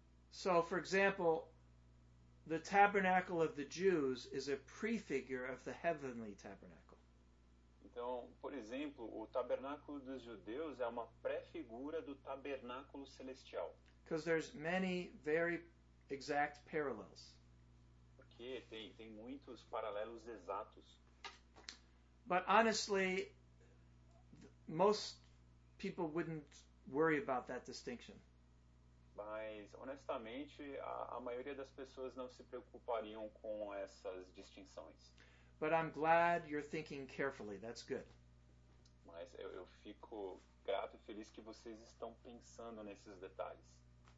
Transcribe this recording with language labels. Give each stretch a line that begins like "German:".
English: So, for example, the tabernacle of the Jews is a prefigure of the heavenly tabernacle.
Portuguese: Então, por exemplo, o tabernáculo dos judeus é uma pré-figura do tabernáculo celestial.
English: Because there's many very exact parallels.
Portuguese: Tem muitos paralelos exatos.
English: But honestly, most people wouldn't worry about that distinction.
Portuguese: Mas honestamente, a maioria das pessoas não se preocupariam com essas distinções.
English: But I'm glad you're thinking carefully. That's good.
Portuguese: Mas eu fico grato e feliz que vocês estão pensando nesses detalhes.